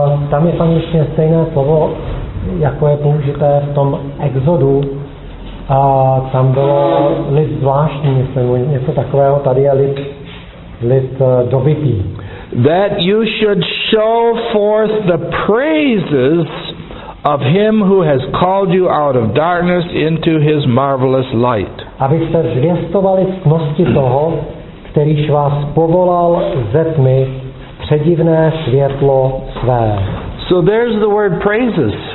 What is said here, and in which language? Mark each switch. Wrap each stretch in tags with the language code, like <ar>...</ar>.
<cs>Tam je tam ještě stejné slovo, jako je použité v tom Exodu. A tam bylo lid zvláštní, myslím, něco takového, tady je lid dobitý.</cs> <en>That you should show forth the praises of him who has called you out of darkness into his marvelous light.</en> <cs>Abyste zvěstovali cnosti toho, kterýž vás povolal ze tmy předivné světlo své.</cs> <en>So there's the word praises.</en>